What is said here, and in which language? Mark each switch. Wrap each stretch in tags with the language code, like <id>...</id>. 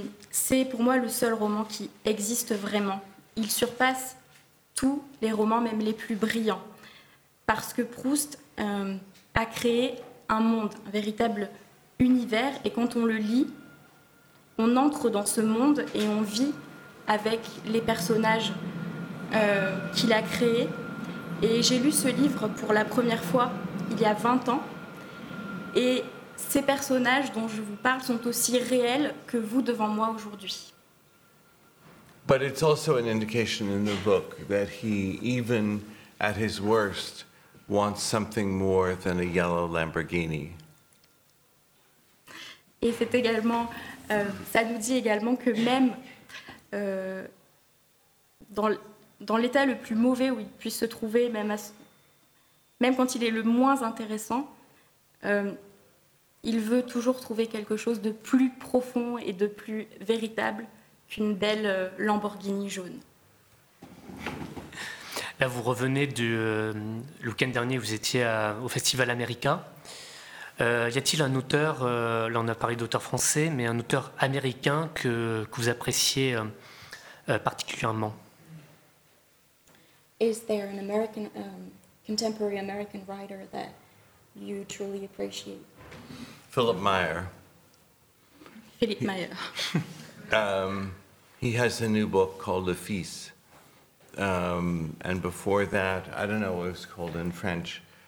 <fr>C'est pour moi le seul roman qui existe vraiment. Il surpasse tous les romans, même les plus brillants, parce que Proust a créé un monde, un véritable univers, et quand on le lit, on entre dans ce monde et on vit avec les personnages qu'il a créés. Et j'ai lu ce livre pour la première fois il y a 20 ans. Et ces personnages dont je vous parle sont aussi réels que vous devant moi aujourd'hui.</fr> <en>But it's also an indication in the book that he, even at his worst, wants something more than a yellow Lamborghini.</en> <fr>Et c'est également... ça nous dit également que même dans l'état le plus mauvais où il puisse se trouver, même quand il est le moins intéressant, il veut toujours trouver quelque chose de plus profond et de plus véritable qu'une belle Lamborghini jaune. Là, vous revenez du le week-end dernier, vous étiez au Festival Américain. Y a-t-il un auteur, là on a parlé d'auteur français, mais un auteur américain que vous appréciez particulièrement?</fr> <en>Is there an American, contemporary American writer that you truly appreciate? Philip Meyer. Philip Meyer. He has a new book called Le Fils. And before that, I don't know what it was called in French,</en>